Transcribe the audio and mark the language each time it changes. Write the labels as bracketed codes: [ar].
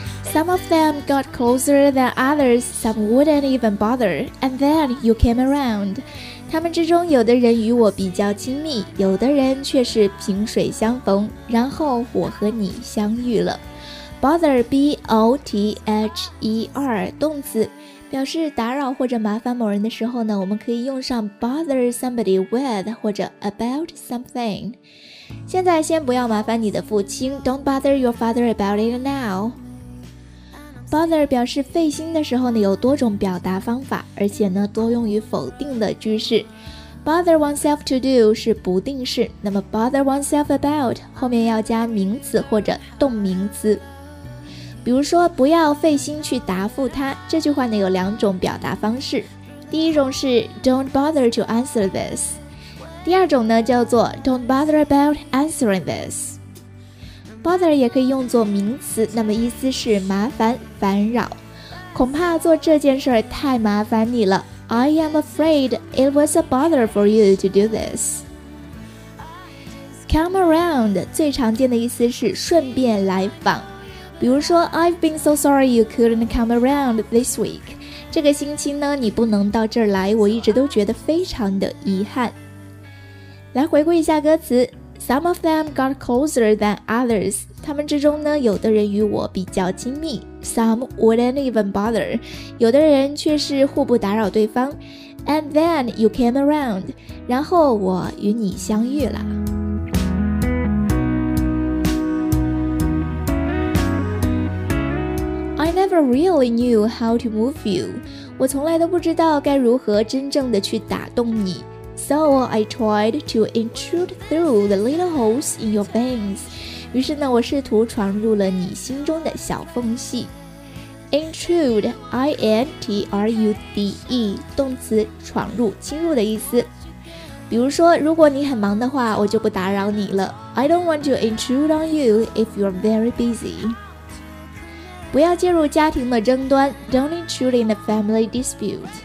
[en] Some of them got closer than others, some wouldn't even bother, and then you came around. [zh] 他们之中有的人与我比较亲密，有的人却是萍水相逢，然后我和你相遇了。 Bother, B-O-T-H-E-R, 动词，表示打扰或者麻烦某人的时候呢，我们可以用上 [en] bother somebody with [zh] 或者 [en] about something。 [zh] 现在先不要麻烦你的父亲， [en] don't bother your father about it now. [zh] Bother 表示费心的时候呢，有多种表达方法，而且呢多用于否定的句式。 [en] Bother oneself to do [zh] 是不定式，那么 [en] bother oneself about [zh] 后面要加名词或者动名词。比如说不要费心去答复他，这句话呢有两种表达方式。第一种是 [en] Don't bother to answer this。 [zh] 第二种呢叫做 [en] Don't bother about answering this。 [zh] Bother 也可以用作名词，那么意思是麻烦、烦扰。恐怕做这件事太麻烦你了。 [en] I am afraid it was a bother for you to do this. [zh] Come around 最常见的意思是顺便来访。比如说 [en] I've been so sorry you couldn't come around this week. [zh] 这个星期呢，你不能到这儿来，我一直都觉得非常的遗憾。来回顾一下歌词。 [en] Some of them got closer than others. [zh] 他们之中呢，有的人与我比较亲密。 [en] Some wouldn't even bother. [zh] 有的人却是互不打扰对方。 [en] And then you came around. [zh] 然后我与你相遇了。 [en] I never really knew how to move you. [zh] 我从来都不知道该如何真正的去打动你。 [en] So I tried to intrude through the little holes in your veins. [zh] 于是呢，我试图闯入了你心中的小缝隙。 Intrude, I-N-T-R-U-D-E, 动词，闯入、侵入的意思。比如说，如果你很忙的话，我就不打扰你了。 [en] I don't want to intrude on you if you're very busy. [zh] 不要介入家庭的争端。 [en] Don't intrude in a family dispute.